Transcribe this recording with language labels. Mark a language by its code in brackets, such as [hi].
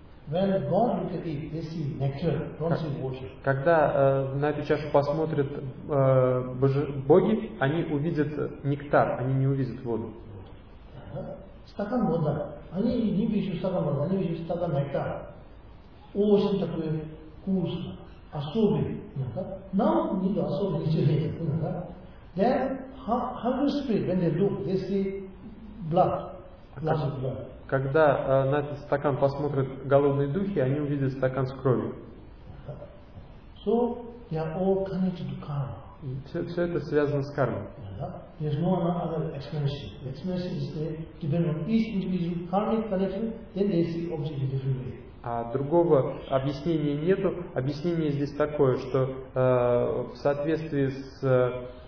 [en] When God look at it, they see nectar, don't see water. [ru] Когда на эту чашу посмотрят боги, они увидят нектар, они не увидят воду. Стакан воды. Они не видят стакан воды, они видят стакан нектар. Очень такой вкус, особый. [en] Now we need [ru] особый ничего. [en] Then hungry spirit, when they look, they see blood. [ru] Когда на этот стакан посмотрят голодные духи, они увидят стакан с кровью. [en] So they are all connected to karma. [ru] Все это связано с кармой. [en] There's no other explanation. The explanation is they depend on each individual karmic connection, then they see objects in different way. [ru] А другого объяснения нету. Объяснение здесь такое, что в соответствии с